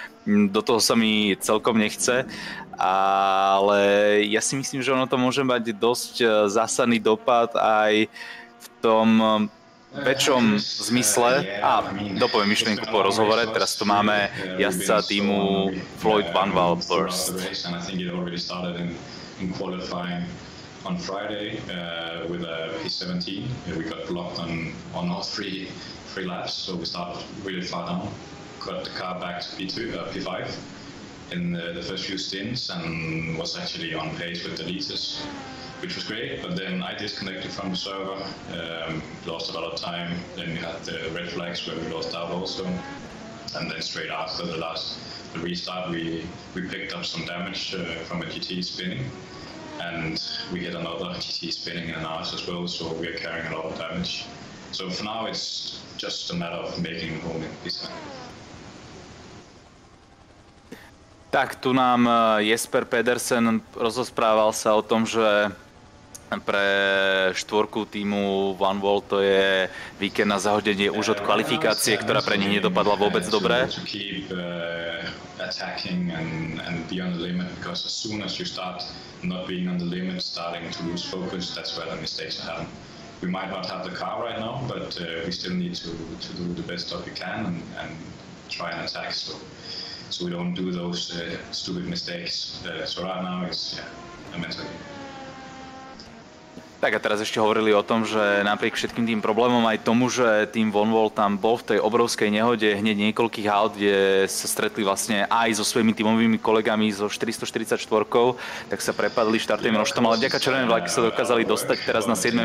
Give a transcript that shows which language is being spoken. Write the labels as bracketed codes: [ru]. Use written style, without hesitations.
[sk] do toho sa mi celkom nechce, ale ja si myslím, že ono to môže mať dosť zásadný dopad aj v tom väčšom zmysle, a dopoviem myšlienku po rozhovore, teraz tu máme jazdca týmu Floyd Van Val Burst. [en] On Friday with a P17, we got blocked on all three laps, so we started really far down, got the car back to P5 in the first few stints and was actually on pace with the leaders, which was great, but then I disconnected from the server, lost a lot of time, then we had the red flags where we lost out also, and then straight after the restart we picked up some damage from a GT spinning. And we hit another GT spinning in ours as well, so we are carrying a lot of damage. So for now, it's just a matter of making a home in this time. [sk] Tak, tu nám Jesper Pedersen rozosprával sa o tom, že pre štvorku týmu One World to je víkend na zahodenie už od kvalifikácie, ktorá pre nich nedopadla vôbec dobre. [en] To keep attacking and be on the limit, because as soon as you start not being on the limit, starting to lose focus, that's where the mistakes are happening. We might not have the car right now, but we still need to do the best job we can and try and attack so we don't do those stupid mistakes. So right now it's a mental game. [sk] Tak a teraz ešte hovorili o tom, že napriek všetkým tým problémom, aj tomu, že tým Vonvol tam bol v tej obrovskej nehode hneď niekoľkých aut, kde sa stretli vlastne aj so svojimi tímovými kolegami zo 444, tak sa prepadli štartovým rožtom, ale vďaka červenej vlajke sa dokázali dostať teraz na 7.